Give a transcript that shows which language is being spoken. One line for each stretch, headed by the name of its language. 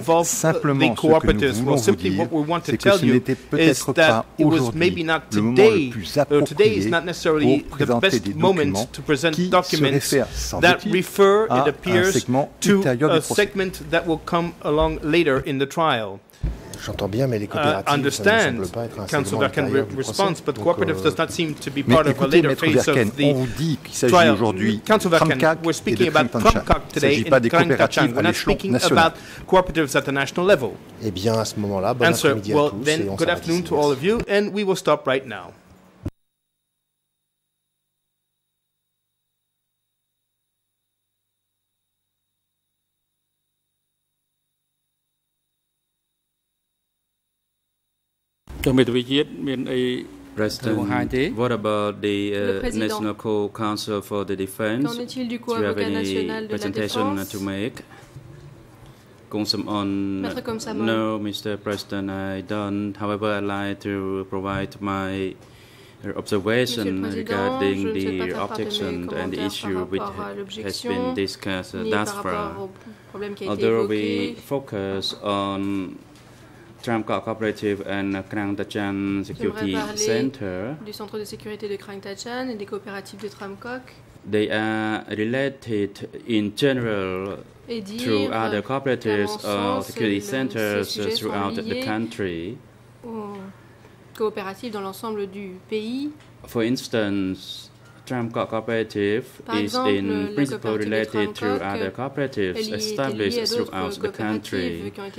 English: involve the cooperatives. Well, simply what we want to tell you is that it was maybe not today, or today is not necessarily the best moment to present documents that refer, it appears, to a segment that will come along later in the trial.
French: J'entends bien, mais les coopératives ça ne semblent pas être un segment intérieur du procès.
English: But cooperative does not seem to be part of a later phase of the trial.
French: Mais écoutez, Maître Verken, on vous dit qu'il s'agit aujourd'hui de Tramkak et de Krimtanchak. Il ne s'agit pas des coopératives à l'échelon national.
English: About cooperatives at the national level.
French: Eh bien, à ce moment-là, bon après-midi à tous,
English: well,
French: et
English: then,
French: on s'arrête
English: good afternoon to all of you, and we will stop right now. President, what about the National Council for the Defense?
French: Qu'en est-il du Co-avocat national de la défense?
English: Do you have any presentation to make? No, Mr. President, I don't. However, I'd like to provide my observation regarding the objection and the issue which has been discussed thus far. Although we focus on Tram Car Cooperative and Krang Dachan Security Center,
French: du centre de sécurité de Krang Dachan et des coopératives de Tram Coq,
English: they are related in general to other cooperatives or security centers throughout the country.
French: Coopératives dans l'ensemble du pays.
English: For instance, Tram Car Cooperative is in principle related to other cooperatives established throughout the country.